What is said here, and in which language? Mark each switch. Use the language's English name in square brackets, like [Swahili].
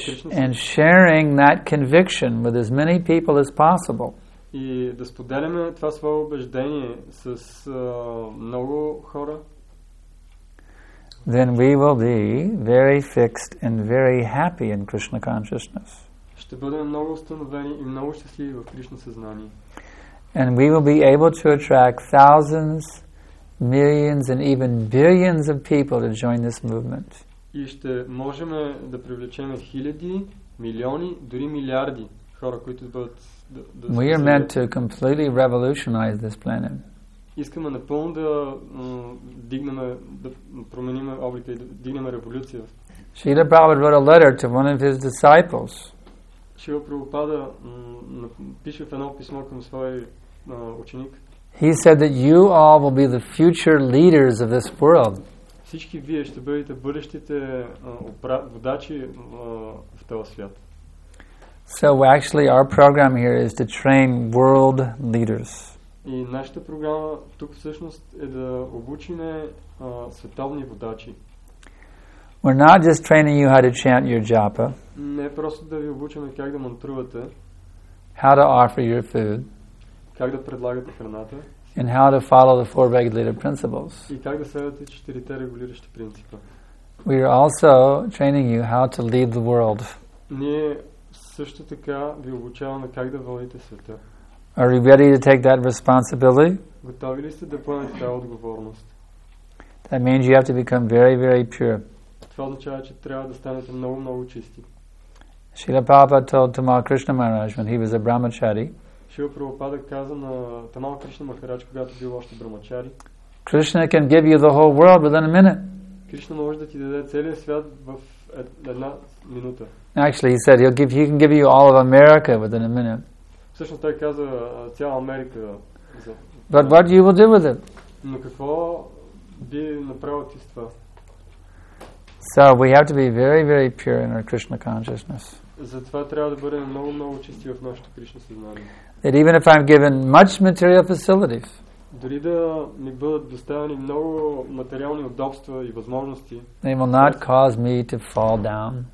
[English] and sharing that conviction with as many people as possible. [Bulgarian] И да споделяме това свое убеждение с много хора. [English] Then we will be very fixed and very happy in Krishna consciousness. [Bulgarian] Ще бъдем много установени и много щастливи в Кришна съзнание. [English] And we will be able to attract thousands, millions and even billions of people to join this movement. [Bulgarian] И ще можем да привлечем хиляди, милиони, дори милиарди хора, които бъдат [English] We are meant to completely revolutionize this planet. [Bulgarian] Искаме напълно да дигнем, да променим облика и да дигнем революция. [English] Шрила Прабхупада wrote a letter to one of his disciples. [Bulgarian] Шрила Прабхупада пише в едно писмо към свой ученик. [English] He said that you all will be the future leaders of this world. [Bulgarian] Всички вие ще бъдете бъдещите водачи в този свят. [English] So actually our program here is to train world leaders. [Bulgarian] И нашата програма тук всъщност е да обучим световни водачи. [English] We're not just training you how to chant your japa. [Bulgarian] Не просто да ви обучим как да мантрувате. [English] How to offer your food. [Bulgarian] Как да предлагате храната. [English] And how to follow the four regulator principles. [Bulgarian] И как да следвате четирите регулиращи принципа. [English] We are also training you how to lead the world. [Bulgarian] Ние също така ви обучаваме как да водите света. [English] Are you ready to take that responsibility? [Bulgarian] Готови ли сте да поемете тази отговорност? [English] That means you have to become very, very pure. [Bulgarian] Това означава, че трябва да станете много, много чисти. [English] Srila Prabhupada told Tamal Krishna Maharaj when he was a brahmachari. [Bulgarian] Шрила Прабхупада каза на Тамал Кришна Махарадж, когато бил още брамачари. [English] Krishna can give you the whole world within a minute. [Bulgarian] Кришна може да ти даде целия свят в една минута. [English] Actually, he said he can give you all of America within a minute. [Bulgarian] Всъщност той каза цяла Америка. [English] But what you will do with it? [Bulgarian] Но какво би направил ти с това? [English] So we have to be very, very pure in our Krishna consciousness. [Bulgarian] Затова трябва да бъдем много, много чисти в нашето Кришна съзнание. [English] That even if I'm given much material facilities, [Bulgarian] дори да ми бъдат доставени много материални удобства и възможности, [English] they will not cause me to fall down.